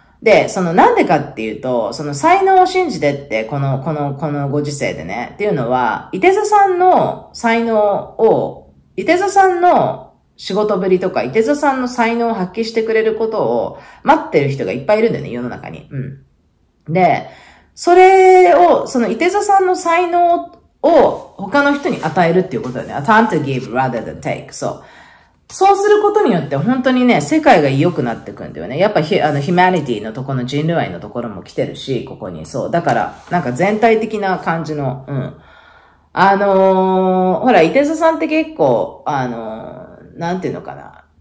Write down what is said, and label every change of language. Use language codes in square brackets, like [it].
[ja] で、なんでかっていうと、才能を信じてって、このご時世でね、っていうのは、いて座さんの才能を、いて座さんの仕事ぶりとか、いて座さんの才能を発揮してくれることを待ってる人がいっぱいいるんだよね、世の中に。うん。で、それを、いて座さんの才能を他の人に与えるっていうことだよね。 [en] time to give rather than take, so. [ja] そうすることによって本当にね、世界が良くなってくんだよね。やっぱヒマニティのとこの人類愛のところも来てるし、ここに。そう。だから、なんか全体的な感じの、うん。ほら、いて座さんって結構、なんていうのかな。